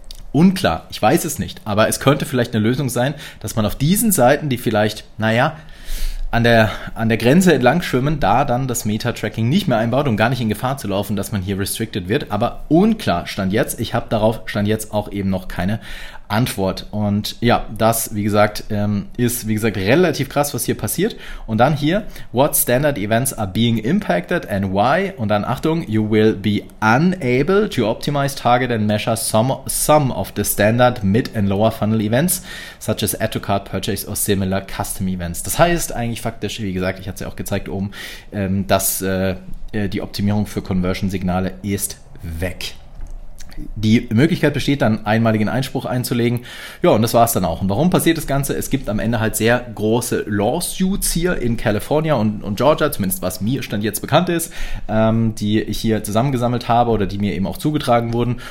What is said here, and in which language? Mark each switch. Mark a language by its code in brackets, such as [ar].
[de] Unklar, ich weiß es nicht, aber es könnte vielleicht eine Lösung sein, dass man auf diesen Seiten, die vielleicht, naja, an der Grenze entlang schwimmen, da dann das Meta-Tracking nicht mehr einbaut, um gar nicht in Gefahr zu laufen, dass man hier restricted wird. Aber unklar, stand jetzt, ich habe darauf stand jetzt auch eben noch keine Antwort. Und ja, das, wie gesagt, ist, wie gesagt, relativ krass, was hier passiert. Und dann hier, [en] what standard events are being impacted and why? [de] Und dann, Achtung, [en] you will be unable to optimize, target and measure some of the standard mid and lower funnel events, such as add to cart purchase or similar custom events. [de] Das heißt eigentlich faktisch, wie gesagt, ich hatte es ja auch gezeigt oben, dass die Optimierung für Conversion-Signale ist weg. Die Möglichkeit besteht, dann einen einmaligen Einspruch einzulegen. Ja, und das war es dann auch. Und warum passiert das Ganze? Es gibt am Ende halt sehr große Lawsuits hier in California und Georgia, zumindest was mir Stand jetzt bekannt ist, die ich hier zusammengesammelt habe oder die mir eben auch zugetragen wurden.